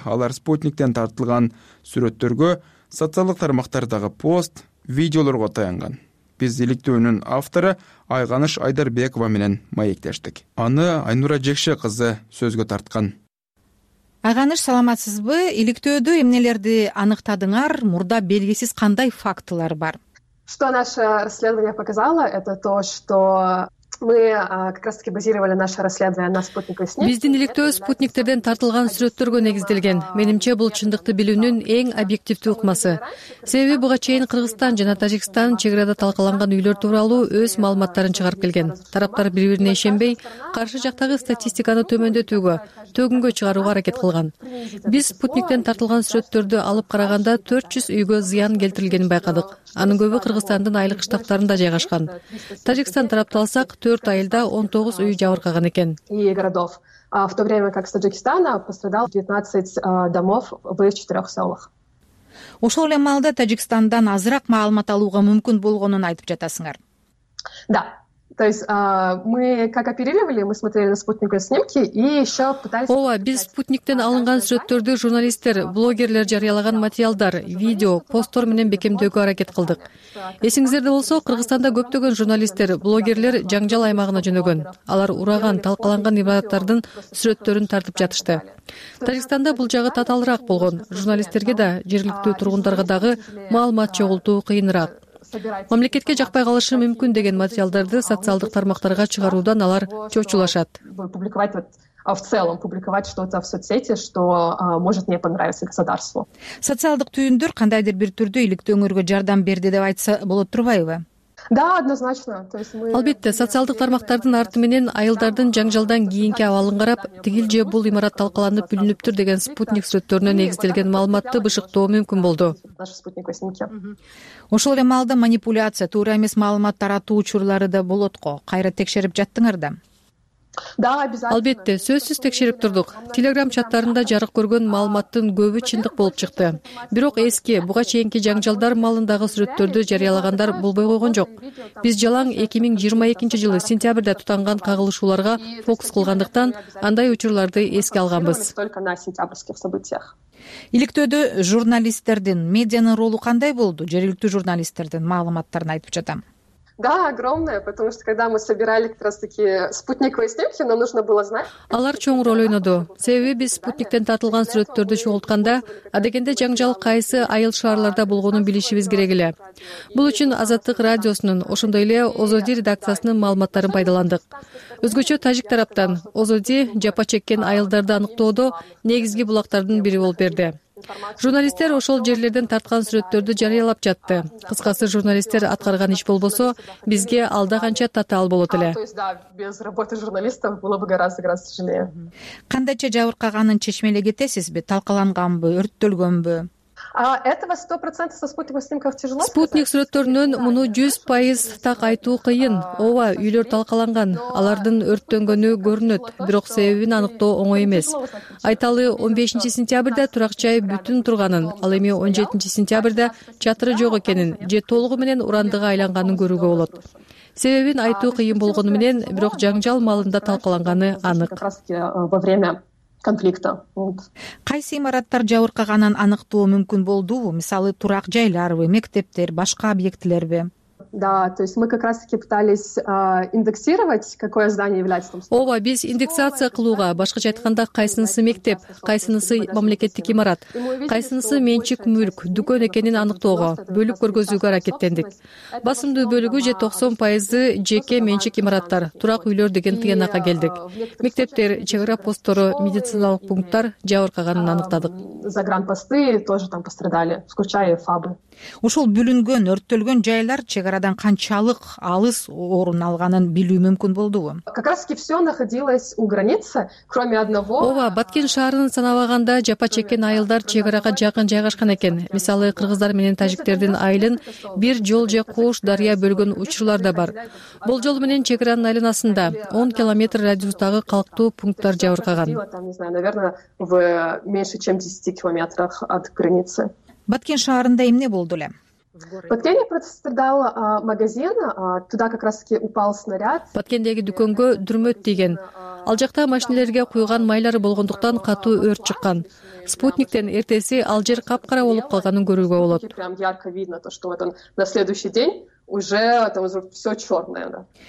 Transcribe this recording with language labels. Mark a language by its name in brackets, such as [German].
[Kyrgyz] Алар спутниктен тартылган сүрөттөргө, социалдык тармактардагы пост, видеолорго таянган. Биз иликтөөнүн автору Айганыш Айдарбекова менен маектештик. Аны Айнура Жекше кызы сөзгө тарткан. Айганыш, саламатсызбы? Иликтөөдө эмнелерди аныктадыңар? Мурда белгисиз кандай фактылар бар? [Russian] Что наше расследование показало, это то, что мы как раз-таки базировали наше расследование на спутниковой снимке. [Kyrgyz] Биздин иликтөө спутниктерден тартылган сүрөттөргө негизделген. Менимче, бул чындыкты билүүнүн эң объективдүү ыкмасы. Себеби буга чейин Кыргызстан жана Тажикстан чек арада талкаланган үйлөр тууралуу өз маалыматтарын чыгарып келген. Тараптар бири-бирине ишенбей, каршы жактагы статистиканы төмөндөтүүгө, төгүнгө чыгарууга аракет кылган. Биз спутниктен тартылган сүрөттөрдү алып караганда 400 үйгө зыян келтирилгенин байкадык. Анын көбү Кыргызстандын айлык штабтарында жайгашкан. Тажикстан тарапты алсак, 4 айылда 19 үй жабыркаган экен. [Russian] И городов. в то время как с Таджикистана пострадало 19 домов в 4 селах. [Kyrgyz] Ошол эле маалда Таджикстандан азыраак маалымат алууга мүмкүн болгонун айтып жатасыңар. [Russian] Да. То есть мы как оперировали, мы смотрели на спутниковые снимки и еще пытались... [Kyrgyz] Ова, без спутниктен алынган сүрөттөрдү журналистер, блогерлер жарыялаган материалдар, видео, посттор менен бекемдөөгө аракет кылдык. Эсиңиздерде болсо, Кыргызстанда көптөгөн журналистер, блогерлер Жаңжал аймагына жөнөгөн. Алар ураган, талкаланган имараттардын сүрөттөрүн тартып жатышты. Таджикстанда бул жагы татаалыраак болгон. Журналистерге да, жергиликтүү тургундарга дагы маалымат чогултуу кыйыныраак. Мамлекетке жакпай калышы мүмкүн деген материалдарды социалдык тармактарга чыгаруудан алар чочулашат. [Russian] В целом публиковать что-то в соцсети, что может не понравиться государству. [Kyrgyz] Социалдык түйүндөр кандайдыр бир түрдө иликтөө өңөргө жардам берди деп айтса болот турбайбы? [Russian] Да, однозначно. То есть мы [Kyrgyz] Албетте, социалдык тармактардын арты менен айылдардын жаңжалдан кийинки абалын карап, тигил же бул имарат талкаланып бүлүнүптүр деген спутник сүрөттөрүнө негизделген маалыматты бышыктоо мүмкүн болду. Ошол эле маалда манипуляция, туура эмес маалымат таратуу учурлары да болот го. Кайра текшерип жаттыңар да? [Russian] Да, обязательно. [Kyrgyz] Албетте, сөзсүз текшерип турдук. Телеграм чаттарында жарык көргөн маалыматтын көбү чындык болуп чыкты. Бирок эски, буга чейинки жаңжалдар маалындагы сүрөттөрдү жарыялагандар болбой койгон жок. Биз жалаң 2022 жылы сентябрда тутанган кагылышууларга фокус кылгандыктан андай учурларды эске алганбыз. Иликтөөдө журналисттердин, медианын ролу кандай болду? Жергиликтүү журналисттердин маалыматтарын айтып жатам. [Russian] Да, огромное, потому что когда мы собирали как раз-таки спутниковые снимки, нам нужно было знать. [Kyrgyz] Алар чоң роль ойноду. Себеби биз спутниктен тартылган сүрөттөрдү чогултканда, адегенде жаңжал кайсы айыл шаарларда болгонун билишибиз керек эле. Бул үчүн Азаттык радиосунун, ошондой эле Озоди редакциясынын маалыматтарын пайдаландык. Өзгөчө тажик тараптан Озоди жапа чеккен айылдарды аныктоодо негизги булактардын бири болуп берди. Журналисттер ошол жерлерден тарткан сүрөттөрдү жарыялап жатты. Кыскасы, журналисттер аткарган иш болбосо, бизге алда канча татаал болот эле. [Russian] Без работы журналистов было бы гораздо тяжелее. [Kyrgyz] Кандайча жабыркаганын чечмеле кетесизби? Талкаланганбы, өрттөлгөнбү? [Russian] Этого 100% со спутников снимков тяжело. [Kyrgyz] Спутник сүрөттөрүнөн муну 100% так айтуу кыйын. Ооба, үйлөр талкаланган, алардын өрттөнгөнү көрүнөт, бирок себебин аныктоо оңой эмес. Айталы 15 сентябрда турак жай бүтүн турганын, ал эми 17 сентябрда чатыры жок экенин же толугу менен урандыга айланганын көрүүгө болот. Себебин айтуу кыйын болгону менен, бирок жаңжал маалында талкаланганы анык. [Russian] Конфликта. [Kyrgyz] Кайсы имараттар жабыркаганын аныктоо мүмкүн болдубу? Мисалы, турак жайларбы, мектептер, башка объектилерби? [Russian] Да, то есть мы как раз-таки пытались индексировать, какое здание является там. [Kyrgyz] Ова, биз индексация кылууга, башкача айтканда, кайсынысы мектеп, кайсынысы мамлекеттик имарат, кайсынысы менчик мүлк, дүкөн экенин аныктоого, бөлүп көргөзүүгө аракеттендик. Басымдуу бөлүгү же 90% жеке менчик имараттар, турак үйлөр деген тыянакка келдик. Мектептер, чек ара посттору, медициналык пункттар жабыркаганын аныктадык. [Russian] Загранпосты тоже там пострадали, включая фабы. [Kyrgyz] Ошол бүлүнгөн, өрттөлгөн жайлар чек арадан канчалык алыс орун алганын билүү мүмкүн болдубу? [Russian] Как раз-таки все находилось у границы, кроме одного. [Kyrgyz] Ова, Баткен шаарын санабаганда жапа чеккен айылдар чек арага жакын жайгашкан экен. Мисалы, кыргыздар менен тажиктердин айылын бир жол же кууш дарыя бөлгөн учурлар да бар. Бул жол менен чек аранын айланасында 10 км радиустагы калктуу пункттар жабыркаган. [Russian] В меньше чем 10 км от границы. [Kyrgyz] Баткен шаарында эмне болду эле? [Russian] Баткенде пострадал магазин, туда как раз-таки упал снаряд. [Kyrgyz] Баткендеги дүкөнгө дүрмөт тийген. Ал жакта машинелерге куйган майлары болгондуктан катуу өрт чыккан. Спутниктен эртеси ал жер капкара болуп калганын көрүүгө болот. [Russian] Прям ярко видно то, что вот он на следующий день уже там уже всё чёрное, да.